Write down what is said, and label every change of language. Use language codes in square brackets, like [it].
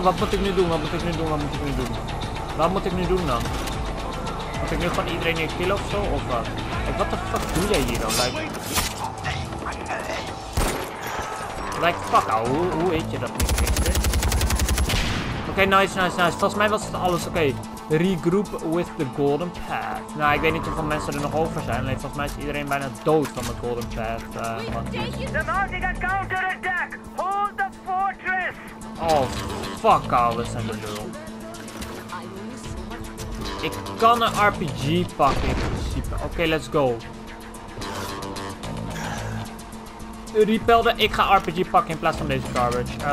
[nl] Wat moet ik nu doen? Wat moet ik nu doen? Wat moet ik nu doen? Wat moet ik nu doen dan? Moet ik nu gewoon iedereen hier killen ofzo? Of wat? [en] Like, what the fuck [nl] doe jij hier dan? Like... [en] Like, fuck, [nl] ouwe, hoe eet je dat nu? Oké, okay, nice, nice, nice. Volgens mij was het alles. Oké, okay. [en] Regroup with the golden path. [nl] Nou, ik weet niet hoeveel mensen er nog over zijn. Alleen, volgens mij is iedereen bijna dood van de golden path. [en] We are mounting a counter attack. Hold the fortress. [nl] Oh, fuck, ouwe, we zijn de lul. Ik kan een RPG pakken in principe. Oké, [en] okay, let's go. [nl] Repelde, ik ga RPG pakken in plaats van deze garbage.